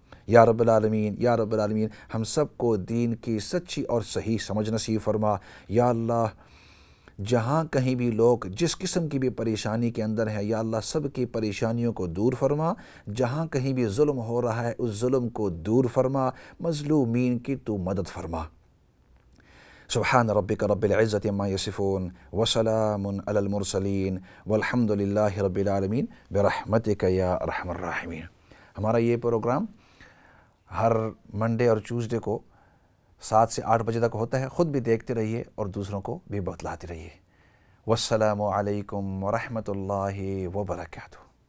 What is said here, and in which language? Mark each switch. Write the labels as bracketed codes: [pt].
[ur] یا رب العالمین یا رب العالمین ہم سب کو دین کی سچی اور صحیح سمجھ نصیب فرما. یا اللہ جہاں کہیں بھی لوگ جس قسم کی بھی پریشانی کے اندر ہیں یا اللہ سب کی پریشانیوں کو دور فرما. جہاں کہیں بھی ظلم ہو رہا ہے اس ظلم کو دور فرما. مظلومین کی تو مدد فرما. [ar] سبحان ربك رب العزة عما يصفون وسلام على المرسلين والحمد لله رب العالمين برحمتك يا ارحم الراحمين. [ur] ہمارا یہ پروگرام ہر منڈے اور ٹیوزڈے کو 7 سے 8 بجے تک ہوتا ہے. خود بھی دیکھتے رہیے اور دوسروں کو بھی بتلاتے رہیے. والسلام علیکم ورحمۃ اللہ وبرکاتہ.